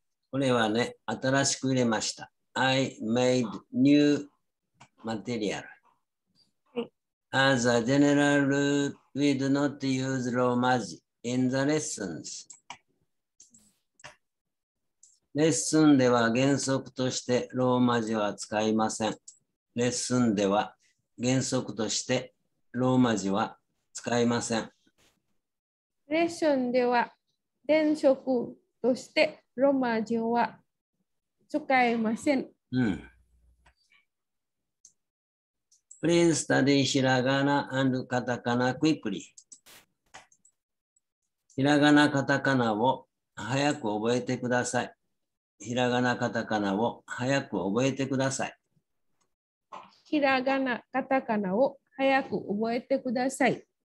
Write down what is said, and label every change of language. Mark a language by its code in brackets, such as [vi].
[ja] これはね、新しく入れました。 [en] I made new material. As a general rule, we do not use Romaji in the lessons. [ja] レッスンでは原則としてローマ字は使いません。レッスンでは原則としてローマ字は使いません。レッスンでは原則としてローマ字は使いません。うん。 [en] Please study hiragana and katakana quickly. [ja] Hiragana katakana を早く覚えてください。 Hiragana katakana を早く覚えてください。 Hiragana katakana を早く覚えてください。